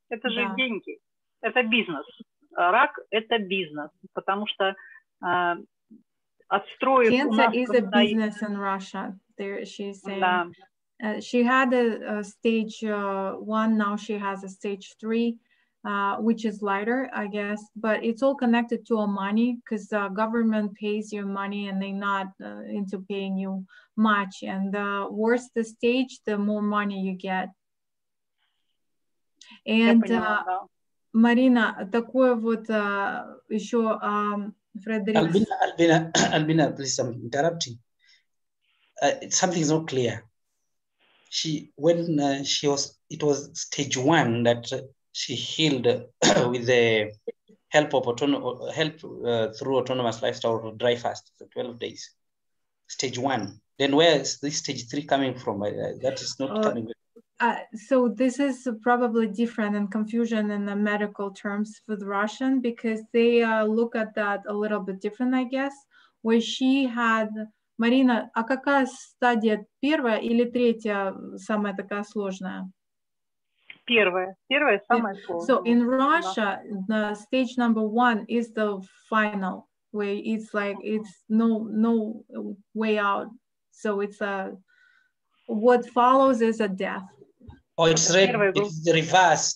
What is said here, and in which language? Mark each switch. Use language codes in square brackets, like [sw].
[ru] Это же деньги, это бизнес. Рак – это бизнес, потому что отстроив у нас... [en] Cancer is a business in Russia, she's saying. [ru] Да. [en] She had a stage one, now she has a stage three, which is lighter, I guess, but it's all connected to our money because the government pays you money and they're not into paying you much. And the worse the stage, the more money you get. [ru] And Marina, такое вот еще, Фредерик. [en] Albina, please, I'm interrupting. Something's not clear. It was stage one that she healed with the help of through autonomous lifestyle or dry fast for 12 days, stage one. Then where is this stage three coming from? That is not coming. So this is probably different and confusion in the medical terms for the Russian, because they look at that a little bit different, I guess, where she had... [ru] Марина, а какая стадия, первая или третья, самая такая сложная? Первая самая сложная. [en] So in Russia, the stage number one is the final, where it's like, it's no way out. So it's what follows is a death. Oh, it's red, it's the reverse.